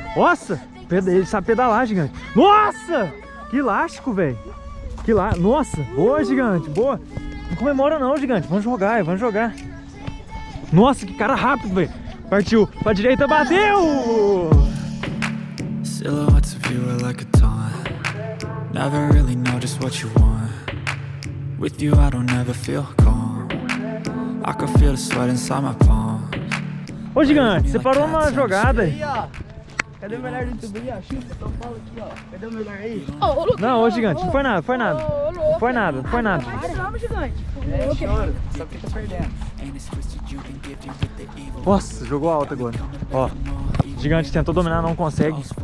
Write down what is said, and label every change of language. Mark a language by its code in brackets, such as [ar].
[pt] Nossa, ele sabe pedalar, gigante. Nossa, que elástico, velho. Que lá, nossa, boa, gigante, boa. Não comemora não, gigante, vamos jogar. Nossa, que cara rápido, velho. Partiu, pra direita, bateu. [en] Silhouettes of you are like a taunt. Never really know just what you want. With you I don't ever feel calm. I can feel the sweat inside my palms. [pt] Ô, gigante, você parou numa jogada. Aí, cadê o melhor do YouTube aí, ó? Chupa, São Paulo aqui, ó. Cadê o melhor aí? Não, ô, gigante, não foi nada, foi nada. Foi nada, foi nada. Nossa, jogou alto agora. Ó, gigante tentou dominar, não consegue.